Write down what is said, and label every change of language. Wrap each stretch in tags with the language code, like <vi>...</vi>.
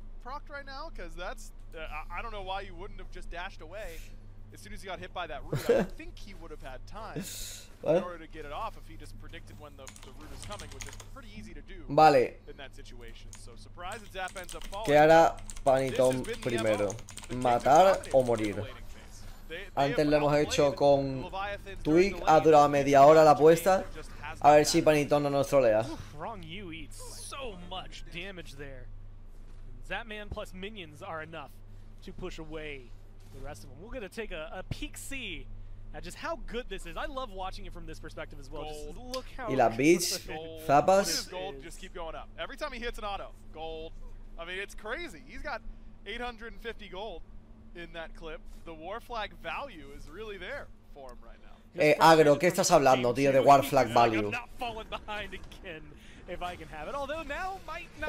<en>Procked right now, because that's I don't know why you wouldn't have just dashed away as soon as he got hit by that root. I think he would have had time in order to get it off if he just predicted when the root is coming, which is pretty easy to do.</en> <es>Vale.</es> <en>In that situation, so surprise that Zap ends up falling.</en> <es>¿Qué hará Panitón primero? ¿Matar o morir? Antes lo hemos hecho con Twig, ha durado media hora la apuesta. A ver si Panitón no nos trolea.</es> <en>Wrong you eat so much damage there. Zapman plus minions are enough to push away the rest of them. We're going to take a peek see at just how good this is. I love watching it from this perspective as well. Just look how</en> <es>y la beach, zapas.</es> <en>Gold, just keep going up. Every time he hits an auto, gold. I mean, it's crazy. He's got 850 gold in that clip. The war flag value is really there for him right now.</en> <es>Agro, ¿qué estás hablando, tío, de</es> <en>war flag value? I'm not falling behind again. If I can have it, although now might not.</en>